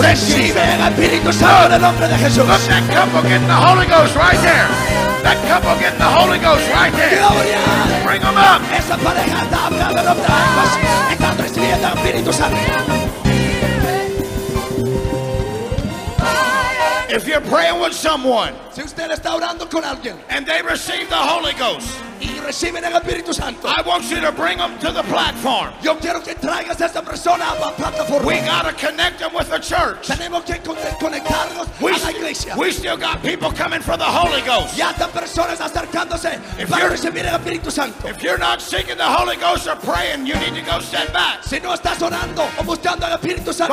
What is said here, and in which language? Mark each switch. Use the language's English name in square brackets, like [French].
[Spanish] Recibe el Espíritu Santo en el nombre de Jesús. [English] Look, that couple getting the Holy Ghost right there. That couple getting the Holy Ghost right there. [Spanish] Gloria. [English] Bring them up. [Spanish] Esa pareja está hablando otra. Está recibiendo el Espíritu Santo. [English] If you're praying with someone, [Spanish] si usted está orando con alguien, [English] and they receive the Holy Ghost. [Spanish] Reciben el Espíritu Santo. [English] I want you to bring them to the platform. [Spanish] Yo quiero que traigas a esta persona a la plataforma. [English] We got to connect them with the church. [Spanish] Tenemos que conectarlos a la iglesia. [English] We still got people coming for the Holy Ghost. [Spanish] Ya están personas acercándose [English] if [Spanish] para recibir el Espíritu Santo. [English] If you're not seeking the Holy Ghost or praying, you need to go step back. [Spanish] Si no estás orando o buscando el Espíritu Santo.